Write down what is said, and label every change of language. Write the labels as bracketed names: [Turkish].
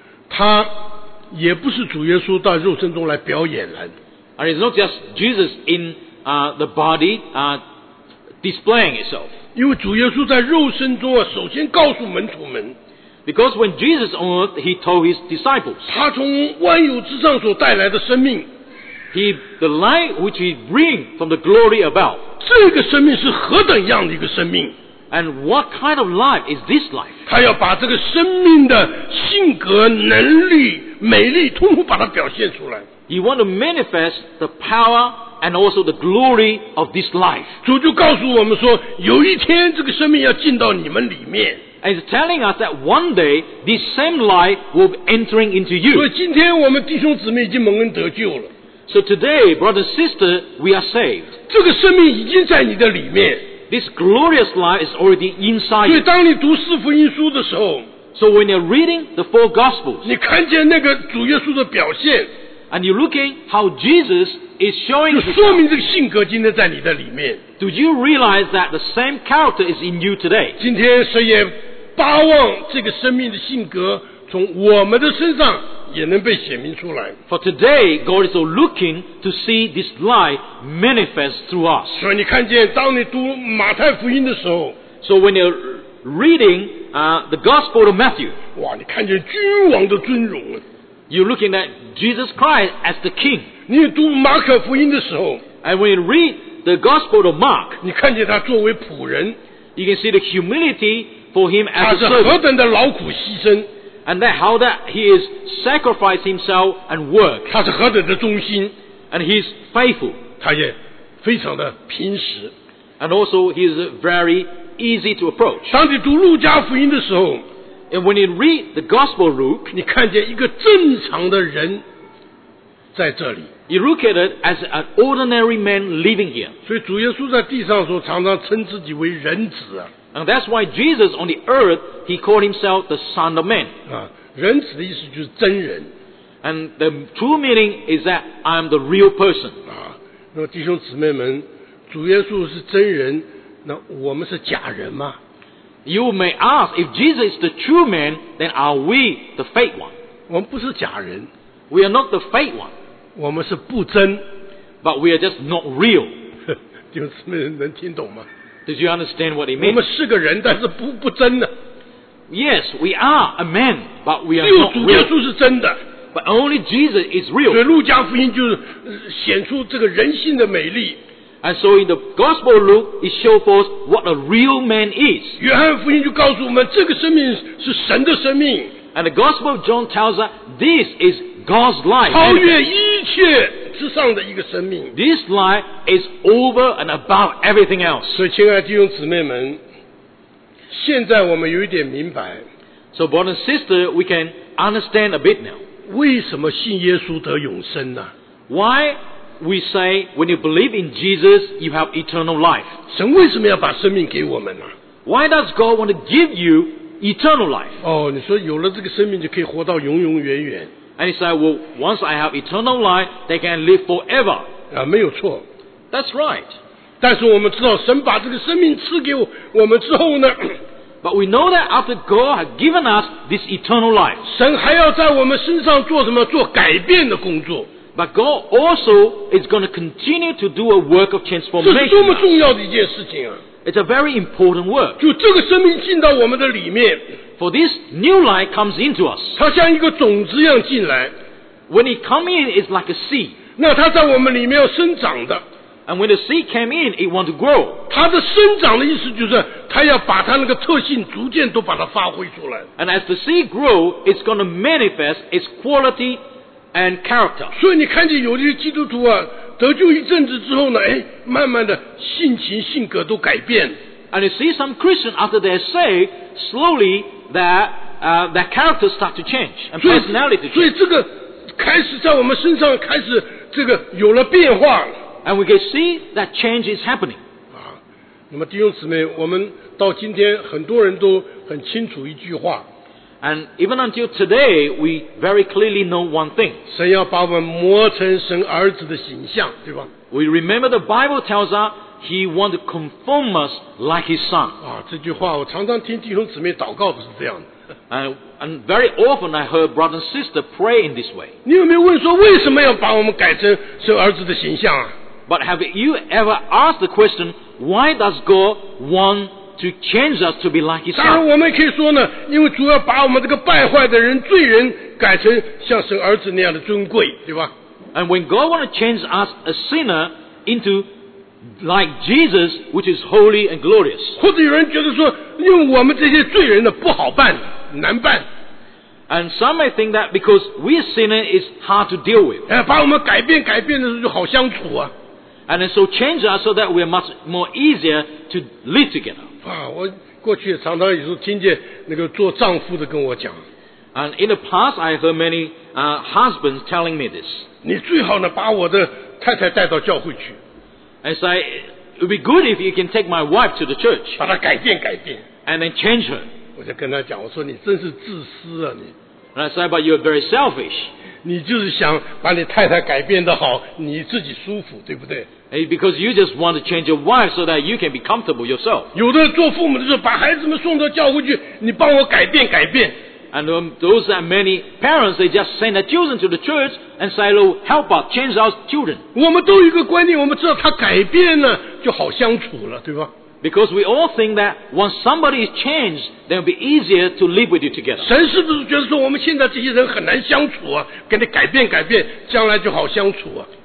[Chinese] 它也不是主耶稣到肉身中来表演来的。 [English] And it's not just Jesus in the body, displaying itself. [Chinese] 因为主耶稣在肉身中啊，首先告诉门徒们。 [English] Because when Jesus on earth, he told his disciples. [Chinese] 他从万有之上所带来的生命。 [English] The light which he bring from the glory above. [Chinese] 这个生命是何等样的一个生命。 [English] And what kind of life is this life? [Chinese] 他要把这个生命的性格、能力、美丽，通通把它表现出来。 [English] He want to manifest the power and also the glory of this life. [Chinese] 主就告诉我们说，有一天这个生命要进到你们里面。 [English] And it's telling us that one day this same life will be entering into you. [Chinese] 所以今天我们弟兄姊妹已经蒙恩得救了。 [English] So today, brother and sister, we are saved. [Chinese] 这个生命已经在你的里面。 [English] This glorious life is already inside. [Chinese] 所以当你读四福音书的时候。 [English] So when you're reading the four gospels. [Chinese] 你看见那个主耶稣的表现。 [English] And you're looking how Jesus is showing himself. [Chinese] 就说明这个性格今天在你的里面。 [English] Do you realize that the same character is in you today? [Chinese] 今天谁也巴望这个生命的性格从我们的身上也能被显明出来。 [English] For today, God is looking to see this light manifest through us. [Chinese] 所以你看见当你读马太福音的时候。 [English] So when you're reading, the Gospel of Matthew. [Chinese] 哇，你看见君王的尊荣。 [English] You're looking at Jesus Christ as the King. [Chinese] 你读马可福音的时候。 [English] And when you read the Gospel of Mark. [Chinese] 你看见他作为仆人。 [English] You can see the humility for him as a servant. [Chinese] 他是何等的劳苦牺牲。 [English] And that how that he is sacrificed himself and work. [Chinese] 他是何等的忠心。 [English] And he is faithful. [Chinese] 他也非常的平实。 [English] And also he is very easy to approach. [Chinese] 当你读路加福音的时候。 [English] And when you read the Gospel of Luke, [Chinese] 你看见一个正常的人在这里。 [English] You look at it as an ordinary man living here. [Chinese] 所以主耶稣在地上说，常常称自己为人子啊。 [English] And that's why Jesus on the earth, he called himself the Son of Man. [Chinese] 人子的意思就是真人。 [English] And the true meaning is that I'm the real person. [Chinese] 那么弟兄姊妹们，主耶稣是真人，那我们是假人吗？ [English] You may ask, if Jesus is the true man, then are we the fake one? [Chinese] 我们不是假人。 [English] We are not the fake one. [Chinese] 我们是不真。 [English] But we are just not real. [Chinese] 就是没人能听懂吗？ [English] Did you understand what he meant? [Chinese] 我们是个人，但是不真的。 [English] Yes, we are a man, but we are not real. [Chinese] 只有主耶稣是真的。 [English] But only Jesus is real. [Chinese] 所以路加福音就是显出这个人性的美丽。 [English] And so in the Gospel of Luke, it shows us what a real man is. [Chinese] 约翰福音就告诉我们，这个生命是神的生命。 [English] And the Gospel of John tells us, this is God's life. [Chinese] 超越一切之上的一个生命。 [English] This life is over and above everything else. [Chinese] 所以亲爱的弟兄姊妹们，现在我们有一点明白。 [English] So brother and sister, we can understand a bit now. [Chinese] 为什么信耶稣得永生呢？ [English] Why? We say, when you believe in Jesus, you have eternal life. [Chinese] 神为什么要把生命给我们呢？ [English] Why does God want to give you eternal life? [Chinese] 哦，你说有了这个生命就可以活到永永远远。 [English] And he said, well, once I have eternal life, they can live forever. [Chinese] 啊，没有错。 [English] That's right. [Chinese] 但是我们知道神把这个生命赐给我们之后呢。 [English] But we know that after God has given us this eternal life. [Chinese] 神还要在我们身上做什么？做改变的工作。 [English] But God also is going to continue to do a work of transformation. [Chinese] 这是多么重要的一件事情啊！ [English] It's a very important work. [Chinese] 就这个生命进到我们的里面。 [English] For this new life comes into us. [Chinese] 它像一个种子一样进来。 [English] When it comes in, it's like a seed. [Chinese] 那它在我们里面要生长的。 [English] And when the seed came in, it wants to grow. [Chinese] 它的生长的意思就是，它要把它那个特性逐渐都把它发挥出来。 [English] And as the seed grows, it's going to manifest its quality and character. [Chinese] 所以你看见有的基督徒啊，得救一阵子之后呢，哎，慢慢的性情性格都改变。 [English] And you see some Christians after they're saved, slowly their character start to change and personality change. [Chinese] 所以这个开始在我们身上开始这个有了变化。 [English] And we can see that change is happening. [Chinese] 啊，那么弟兄姊妹，我们到今天很多人都很清楚一句话。 [English] And even until today, we very clearly know one thing. [Chinese] 神要把我们磨成神儿子的形象，对吧？ [English] We remember the Bible tells us He wants to conform us like His Son. [Chinese] 啊，这句话我常常听弟兄姊妹祷告都是这样的。 [English] And very often I heard brother and sister pray in this way. [Chinese] 你有没有问说为什么要把我们改成神儿子的形象啊？ [English] But have you ever asked the question, why does God want to change us to be like His Son? [Chinese] 当然我们可以说呢，因为主要把我们这个败坏的人、罪人改成像神儿子那样的尊贵，对吧？ [English] And when God wants to change us, a sinner, into like Jesus, which is holy and glorious. [Chinese] 或者有人觉得说，因为我们这些罪人呢不好办，难办。 [English] And some may think that because we are sinners, it's hard to deal with. [Chinese] 哎，把我们改变，改变的时候就好相处啊。 [English] And so change us so that we are much more easier to live together. [Chinese] 啊，我过去也常常有时候听见那个做丈夫的跟我讲。 [English] And in the past, I heard many husbands telling me this. [Chinese] 你最好呢把我的太太带到教会去。 [English] I say, it would be good if you can take my wife to the church. [Chinese] 把她改变改变。 [English] And then change her. [Chinese] 我就跟她讲，我说你真是自私啊你。 [English] And I say, but you're very selfish. [Chinese] 你就是想把你太太改变得好，你自己舒服，对不对？ [English] And because you just want to change your wife so that you can be comfortable yourself. [Chinese] 有的做父母的时候把孩子们送到教会去，你帮我改变改变。 [English] And those are many parents, they just send their children to the church and say, oh, help us, change our children. [Chinese] 我们都有一个观念，我们知道他改变了，就好相处了，对吧？ [English] Because we all think that once somebody is changed, they'll be easier to live with you together. [Chinese] 神是不是觉得说我们现在这些人很难相处啊，跟你改变改变，将来就好相处啊。